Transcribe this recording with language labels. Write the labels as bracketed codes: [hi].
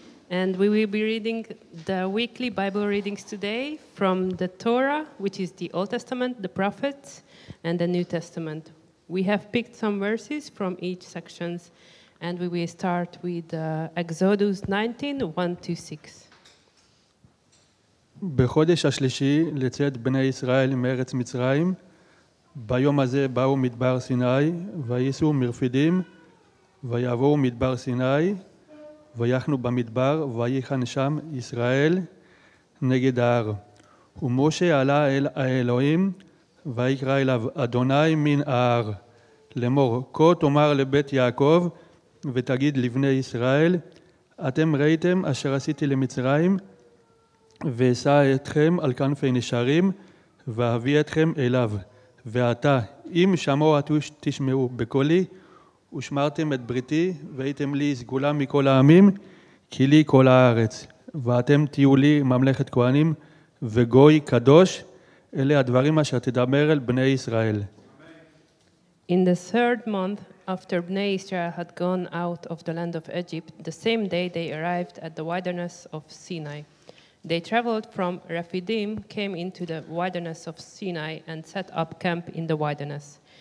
[en] And we will be reading the weekly Bible readings today from the Torah, which is the Old Testament, the Prophets, and the New Testament. We have picked some verses from each section, and we will start with Exodus 19:1-6. [he] בחודש השלישי לצאת בני ישראל מארץ מצרים, ביום הזה באו מדבר סיני, וישו מרפידים, ויעבור מדבר סיני, ויחנו במדבר, ויחן שם ישראל נגד ההר. ומשה עלה אל האלוהים, ויקרא אליו אדוני מן ההר. לאמור, כה תאמר לבית יעקב, ותגיד לבני ישראל, אתם ראיתם אשר עשיתי למצרים, ואשא אתכם על כנפי נשרים, ואביא אתכם אליו. ואתה, אם שמעו תשמעו בקולי, ושמרתם את בריתי, והייתם לי סגולה מכל העמים, כי לי כל הארץ. ואתם תהיו לי ממלכת כהנים, וגוי קדוש, אלה הדברים אשר תדבר אל בני ישראל. [en] In the third month, after Bnei Israel had gone out of the land of Egypt, the same day they arrived at the wilderness of Sinai. They traveled from Rephidim, came into the wilderness of Sinai, and set up camp in the wilderness.